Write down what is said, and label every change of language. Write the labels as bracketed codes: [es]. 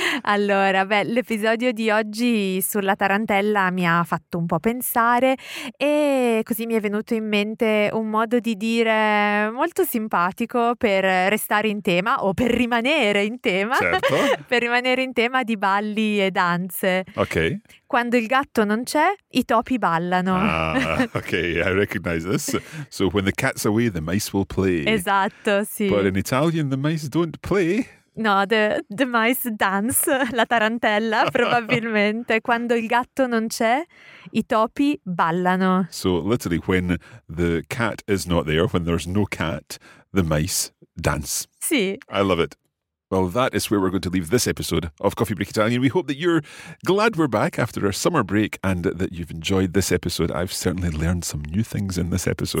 [it] Allora, beh, l'episodio di oggi sulla tarantella mi ha fatto un po' pensare e così mi è venuto in mente un modo di dire molto simpatico per restare in tema o per rimanere in tema. Certo. Per rimanere in tema di balli e danze. Ok. Quando il gatto non c'è, i topi ballano. [en] Ah, okay, I recognize this. So when the cat's away, the mice will play. [it] Esatto, sì. [en] But in Italian, the mice don't play, No, the mice dance, [it] la tarantella probabilmente. Quando il gatto non c'è, I topi ballano. [en] So literally, when the cat is not there, when there's no cat, the mice dance. [it] Sì. [en] I love it. Well, that is where we're going to leave this episode of Coffee Break Italian. We hope that you're glad we're back after our summer break and that you've enjoyed this episode. I've certainly learned some new things in this episode.